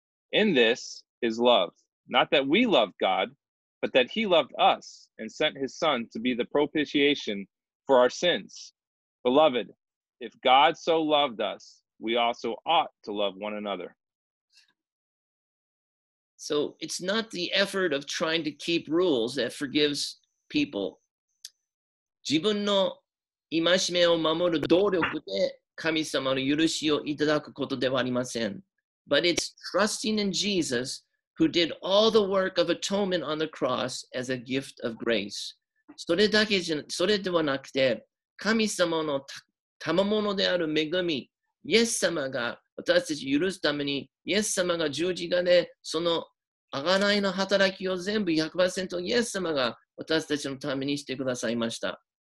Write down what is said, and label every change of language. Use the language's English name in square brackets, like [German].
[English] In this is love, not that we loved God, but that he loved us and sent his Son to be the propitiation for our sins. Beloved, if God so loved us, we also ought to love one another. So it's not the effort of trying to keep rules that forgives people. [Japanese] 自分の戒めを守る努力で神様の許しをいただくことではありません。 [English] But it's trusting in Jesus who did all the work of atonement on the cross as a gift of grace. [Japanese] それではなくて、神様の賜物である恵み、イエス様が私たち許すために、イエス様が十字架でその贖いの働きを全部 100% イエス様が私たちのためにしてくださいました。